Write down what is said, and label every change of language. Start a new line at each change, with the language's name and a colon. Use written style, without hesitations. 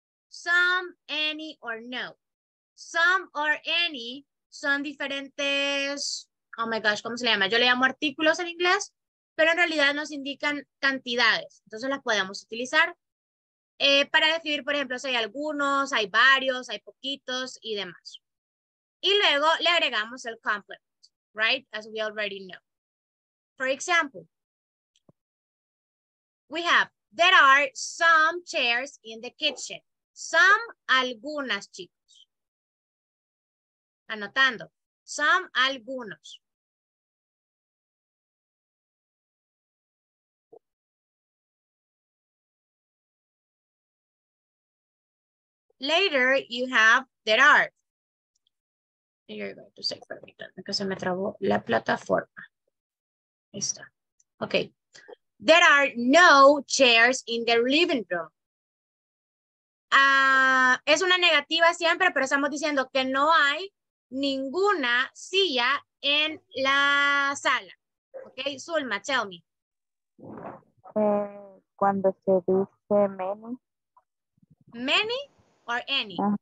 English: Some, any, or no. Some or any
Spanish: son diferentes...
English: Oh my gosh,
Spanish: ¿cómo se le llama? Yo le llamo artículos en inglés, pero en realidad nos indican cantidades. Entonces las podemos utilizar para describir, por ejemplo, si hay algunos, hay varios, hay poquitos y demás. Y luego le agregamos el
English: complement, right? As we already know. For example, we have, there are some chairs in the kitchen.
Spanish: Some, algunas, chicos. Anotando. Some, algunos.
English: later you have there are. You're going to say,
Spanish: permítanme que se me trabó la plataforma. Ahí está.
English: Okay. There are no chairs in the living room.
Spanish: Es una negativa siempre, pero estamos diciendo que no hay ninguna silla en la sala.
English: Okay, Zulma, tell me.
Spanish: Cuando se dice many.
English: Many or any?